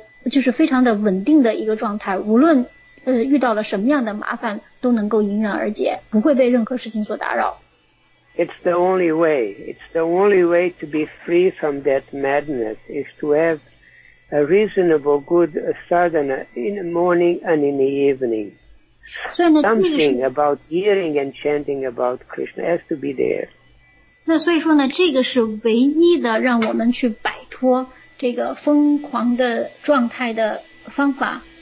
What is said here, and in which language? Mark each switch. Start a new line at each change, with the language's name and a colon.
Chinese: 就是非常的稳定的一个状态，无论遇到了什么样的麻烦都能够迎刃而解，不会被任何事情所打扰。
English: It's the only way. It's the only way to be free from that madness is to have a reasonable good sadhana in the morning and in the evening. Something about hearing and chanting about Krishna has to be there.
Chinese: 那所以说呢，这个是唯一的让我们去摆脱这个疯狂的状态的方法。